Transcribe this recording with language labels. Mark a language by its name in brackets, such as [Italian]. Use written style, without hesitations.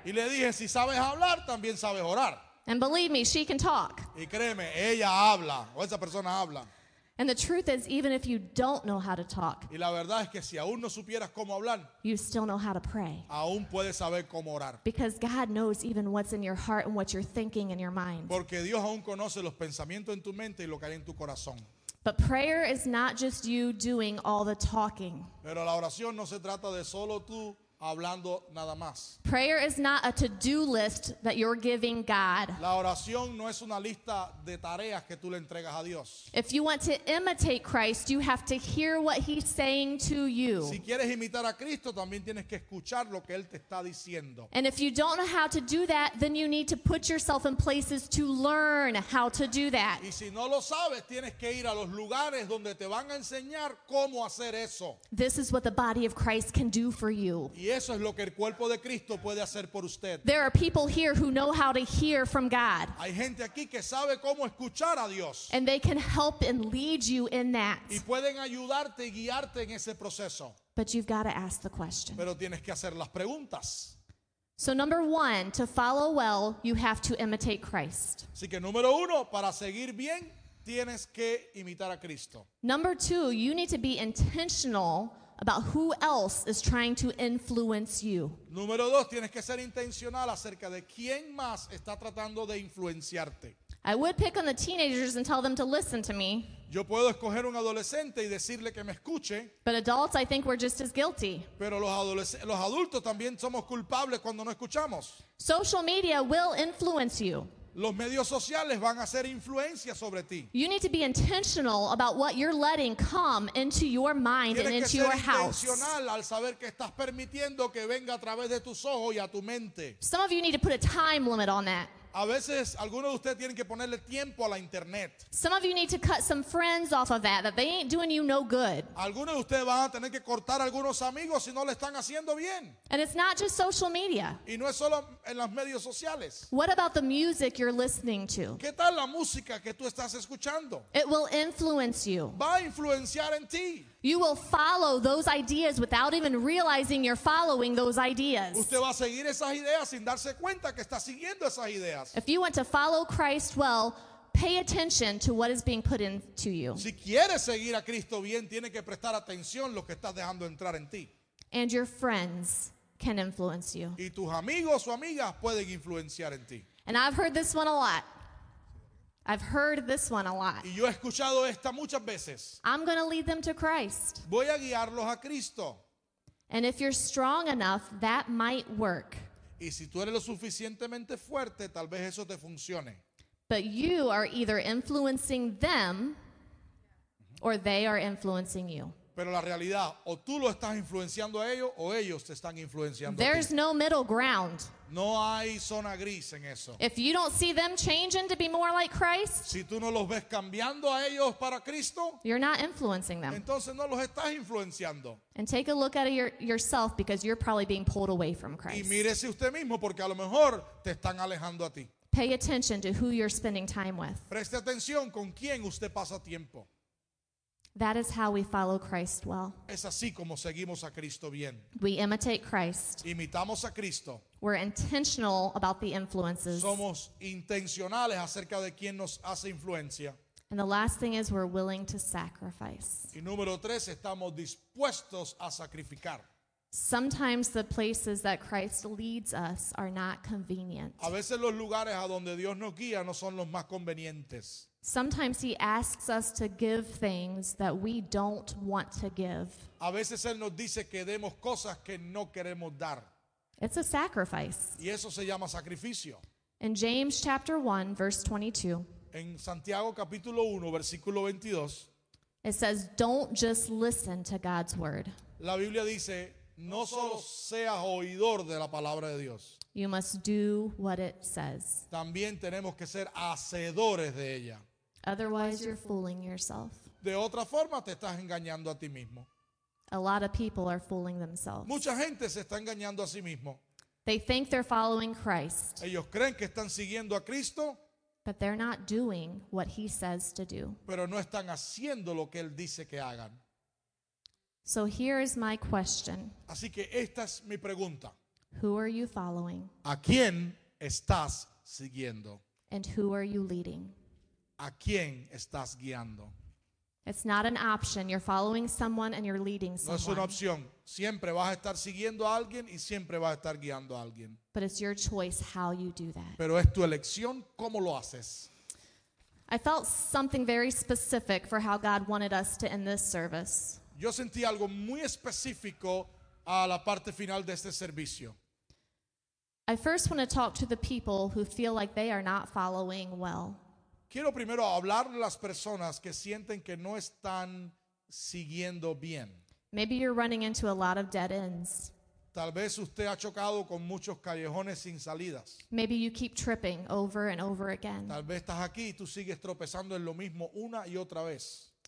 [Spanish] Y le dije, "Si sabes hablar, también sabes orar." [English] And believe me, she can talk. [Spanish] Y créeme, ella habla, o esa persona habla. [English] And the truth is, even if you don't know how to talk, [Spanish] y la verdad es que si aún no supieras cómo hablar, [English] you still know how to pray. [Spanish] Aún puedes saber cómo orar. [English] Because God knows even what's in your heart and what you're thinking in your mind. [Spanish] Porque Dios aún conoce los pensamientos en tu mente y lo que hay en tu corazón. [English] But prayer is not just you doing all the talking. [Spanish] Pero la oración no se trata de solo tú hablando nada más. [English] Prayer is not a to-do list that you're giving God. [Spanish] La oración no es una lista de tareas que tú le entregas a Dios. [English] If you want to imitate Christ, you have to hear what he's saying to you. [Spanish] Si quieres imitar a Cristo, también tienes que escuchar lo que él te está diciendo. [English] And if you don't know how to do that, then you need to put yourself in places to learn how to do that. [Spanish] Y si no lo sabes, tienes que ir a los lugares donde te van a enseñar cómo hacer eso. [English] This is what the body of Christ can do for you. [Spanish] Y eso es lo que el cuerpo de Cristo puede hacer por usted. [English] There are people here who know how to hear from God. [Spanish] Hay gente aquí que sabe cómo escuchar a Dios. [English] And they can help and lead you in that. [Spanish] Y pueden ayudarte y guiarte en ese proceso. [English] But you've got to ask the question. [Spanish] Pero tienes que hacer las preguntas. [English] So number one, to follow well, you have to imitate Christ. [Spanish] Así que número uno, para seguir bien, tienes que imitar a Cristo. [English] Number two, you need to be intentional about who else is trying to influence you. [Spanish] Número dos, tienes que ser intencional acerca de quién más está tratando de influenciarte. [English] I would pick on the teenagers and tell them to listen to me. [Spanish] Yo puedo escoger un adolescente y decirle que me escuche. [English] But adults, I think we're just as guilty. [Spanish] Pero los adultos también somos culpables cuando no escuchamos. [English] Social media will influence you. [Spanish] Los medios sociales van a hacer influencia sobre ti. [English] You need to be intentional about what you're letting come into your mind [Spanish] Tienes [English] and into your house. [Spanish] Tienes que ser intencional al saber que estás permitiendo que venga a través de tus ojos y a tu mente. [English] Some of you need to put a time limit on that. [Spanish] A veces algunos de ustedes tienen que ponerle tiempo a la internet. [English] Some of you need to cut some friends off of that they ain't doing you no good. [Spanish] Algunos de ustedes van a tener que cortar algunos amigos si no le están haciendo bien. [English] And it's not just social media. [Spanish] Y no es solo en los medios sociales. [English] What about the music you're listening to? [Spanish] ¿Qué tal la música que tú estás escuchando? [English] It will influence you. [Spanish] Va a influenciar en ti. [English] You will follow those ideas without even realizing you're following those ideas. [Spanish] Usted va a seguir esas ideas sin darse cuenta que está siguiendo esas ideas. [English] If you want to follow Christ well, pay attention to what is being put into you. [Spanish] Si quieres seguir a Cristo bien, tiene que prestar atención lo que estás dejando entrar en ti. [English] And your friends can influence you. [Spanish] Y tus amigos o amigas pueden influenciar en ti. [English] And I've heard this one a lot. I've heard this one a lot. [Spanish] Y yo he escuchado esta muchas veces. [English] I'm going to lead them to Christ. [Spanish] Voy a guiarlos a Cristo. [English] And if you're strong enough, that might work. [Spanish] Y si tú eres lo suficientemente fuerte, tal vez eso te funcione. [English] But you are either influencing them or they are influencing you. [Spanish] Pero la realidad, o tú lo estás influenciando a ellos o ellos te están influenciando. [English] There's [Spanish] a ti. [English] No middle ground. [Spanish] No hay zona gris en eso. [English] If you don't see them changing to be more like Christ, [Spanish] si tú no los ves cambiando a ellos para Cristo, [English] you're not influencing them. [Spanish] Entonces no los estás influenciando. [English] And take a look at yourself because you're probably being pulled away from Christ. [Spanish] Y mírese usted mismo porque a lo mejor te están alejando a ti. [English] Pay attention to who you're spending time with. [Spanish] Preste atención con quién usted pasa tiempo. [English] That is how we follow Christ well. [Spanish] Es así como seguimos a Cristo bien. [English] We imitate Christ. [Spanish] Imitamos a Cristo. [English] We're intentional about the influences. [Spanish] Somos intencionales acerca de quién nos hace influencia. [English] And the last thing is we're willing to sacrifice. [Spanish] Y número tres, estamos dispuestos a sacrificar. [English] Sometimes the places that Christ leads us are not convenient. [Spanish] A veces los lugares a donde Dios nos guía no son los más convenientes. [English] Sometimes he asks us to give things that we don't want to give. [Spanish] A veces él nos dice que demos cosas que no queremos dar. [English] It's a sacrifice. [Spanish] Y eso se llama sacrificio. [English] In James chapter 1, verse 22. [Spanish] En Santiago capítulo 1, versículo 22. [English] It says, don't just listen to God's word. [Spanish] La Biblia dice, no solo seas oidor de la palabra de Dios. [English] You must do what it says. [Spanish] También tenemos que ser hacedores de ella. [English] Otherwise, you're fooling yourself. [Spanish] De otra forma, te estás engañando a ti mismo. [English] A lot of people are fooling themselves. [Spanish] Mucha gente se está engañando a sí mismo. [English] They think they're following Christ. [Spanish] Ellos creen que están siguiendo a Cristo. [English] But they're not doing what he says to do. [Spanish] Pero no están haciendo lo que él dice que hagan. [English] So here is my question. [Spanish] Así que esta es mi pregunta. [English] Who are you following? [Spanish] ¿A quién estás siguiendo? [English] And who are you leading? [Spanish] ¿A quién estás guiando? [English] It's not an option. You're following someone and you're leading someone. [Spanish] No es una opción. Siempre vas a estar siguiendo a alguien y siempre vas a estar guiando a alguien. [English] But it's your choice how you do that. [Spanish] Pero es tu elección cómo lo haces. [English] I felt something very specific for how God wanted us to end this service. [Spanish] Yo sentí algo muy específico a la parte final de este servicio. [English] I first want to talk to the people who feel like they are not following well. [Spanish] Quiero primero hablar a las personas que sienten que no están siguiendo bien. [English] Maybe you're running into a lot of dead ends. [Spanish] Tal vez usted ha chocado con muchos callejones sin salidas. [English] Maybe you keep tripping over and over again. [Spanish] Tal vez estás aquí y tú sigues tropezando en lo mismo una y otra vez.